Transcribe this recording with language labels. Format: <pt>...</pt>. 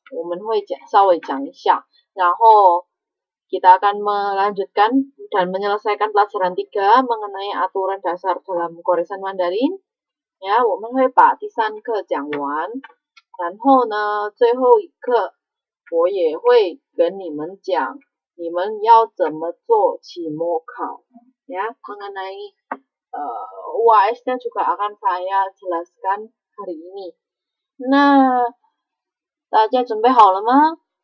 <zh>我们会讲稍微讲一下，然后</zh> <id>kita akan melanjutkan dan menyelesaikan pelajaran 3 mengenai aturan dasar dalam goresan Mandarin.</id> <zh>Ya, 我们会把第三课讲完，然后呢，最后一课。我也会跟你们讲，你们要怎么做期末考</zh> <id>ya, mengenai UAS nya juga akan saya jelaskan hari ini.</id> <zh>Nah, 大家准备好了吗?</zh>